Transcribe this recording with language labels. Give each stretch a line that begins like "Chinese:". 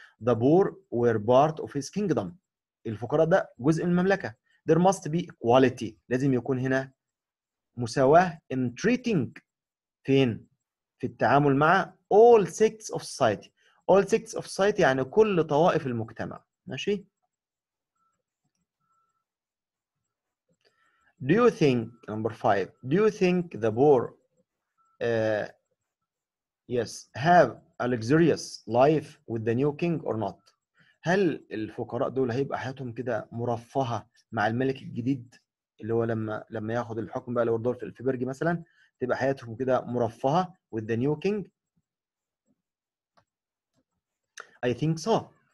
English: The poor were part of his kingdom،
Arabic: الفقراء ده جزء من المملكة.
English: There must be equality،
Arabic: لازم يكون هنا مساواة.
English: In treating،
Arabic: فين؟ في التعامل مع
English: all sects of society. All sects of society
Arabic: يعني كل طوائف المجتمع. ماشي.
English: Do you think, number five, do you think the poor, yes, have a luxurious life with the new king or not?
Arabic: هل الفقراء دول هيبقى حياتهم كده مرفهة مع الملك الجديد اللي هو لما ياخد الحكم بقى لوردورف في برج مثلا، تبقى حياتهم كده مرفهة
English: with the new king؟ I think so.